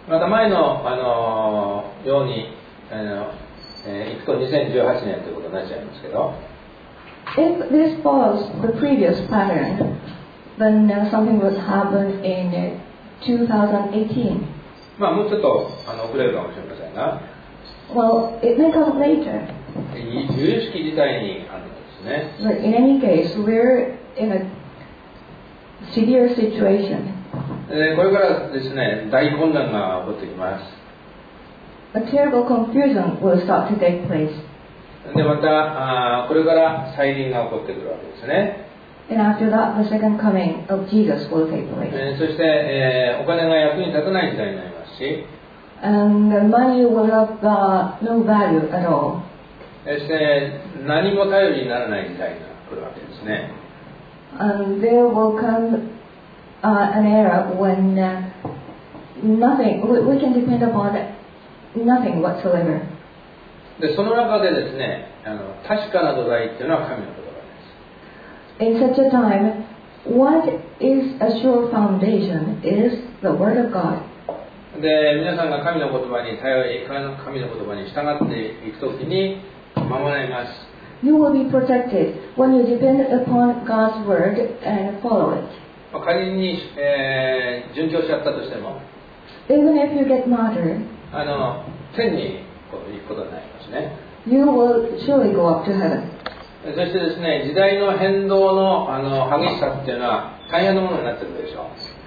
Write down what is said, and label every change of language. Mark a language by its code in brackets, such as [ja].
[ja] また前の、ように、行くと2018年ということになっちゃいますけど。 [en] If this follows the previous pattern, then something would happen in 2018. [ja] まあもうちょっと遅れるかもしれませんが。 [en] Well, it may come later. [ja] 由々しき事態にあるんですね。 [en] But in any case, we're in a severe situation. [ja] これからですね、大混乱が起こってきます。 [en] A terrible confusion will start to take place. [ja] でまたこれから再臨が起こってくるわけですね。 [en] And after that, the second coming of Jesus will take place. [ja] そして、お金が役に立たない時代になりますし。 [en] And the money will have no value at all. [ja] そして何も頼りにならない時代が来るわけですね。 [en] And there will come an era when nothing we can depend upon it. Nothing whatsoever. [ja] でその中でですね、確かな土台っていうのは神の言葉です。 [en] In such a time, what is a sure foundation is the word of God. [ja] で皆さんが神の言葉に頼り、神の言葉に従っていくときに守られます。 [en] You will be protected when you depend upon God's word and follow it. [ja] 仮に、殉教しちゃったとしても、 [en] Even if you get martyred. [ja] 天に行くことになりますね。 [en] You will surely go up to heaven. [ja] そしてですね、時代の変動の激しさっていうのは大変なものになってるでしょう。